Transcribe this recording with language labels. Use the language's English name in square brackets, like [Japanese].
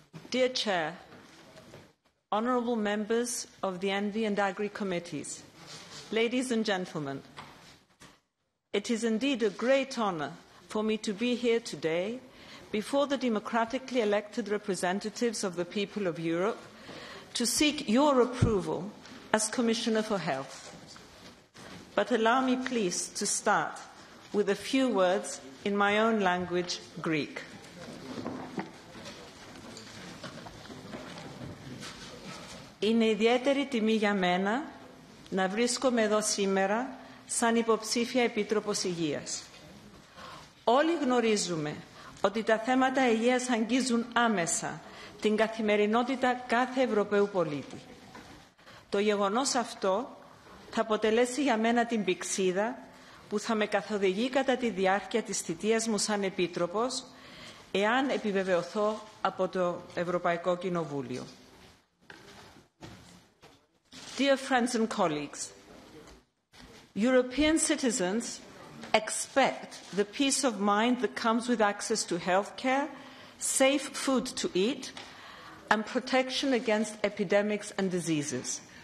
[English] Dear Chair, Honourable Members of the ENVI and Agri Committees, ladies and gentlemen, it is indeed a great honour for me to be here today before the democratically elected representatives of the people of Europe to seek your approval as Commissioner for Health. But allow me, please, to start with a few words in my own language, Greek. [Greek] Είναι ιδιαίτερη τιμή για μένα να βρίσκομαι εδώ σήμερα σαν υποψήφια Επίτροπος Υγείας. Όλοι γνωρίζουμε ότι τα θέματα υγείας αγγίζουν άμεσα την καθημερινότητα κάθε Ευρωπαίου πολίτη. Το γεγονός αυτό θα αποτελέσει για μένα την πηξίδα που θα με καθοδηγεί κατά τη διάρκεια της θητείας μου σαν Επίτροπος, εάν επιβεβαιωθώ από το Ευρωπαϊκό Κοινοβούλιο. [English] Dear friends and colleagues, European citizens expect the peace of mind that comes with access to healthcare, safe food to eat, and protection against epidemics and diseases.